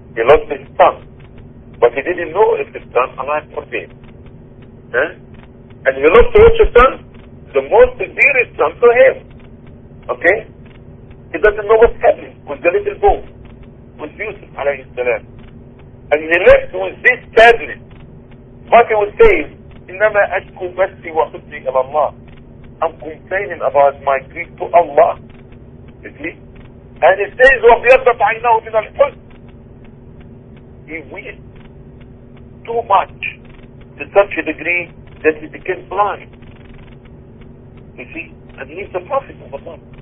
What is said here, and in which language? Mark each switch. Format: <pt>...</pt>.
<en>He lost his son. But he didn't know if his son alive or dead. Huh? And he lost his son, the most dearest son to him. Okay? He doesn't know what's happening with the little boy, with Yusuf, alayhi salam. And he left with this sadness. But he was saved.</en> <ar>إنما أشكو بثي وحزني إلى الله.</ar> <en>I'm complaining about my grief to Allah. You see? And he says,</en> <ar>وَبْيَضَّتْ عَيْنَهُ مِنَ الْحُزْنِ.</ar> <en>He wished too much to such a degree that he became blind. You see? And he's the prophet of Allah.</en>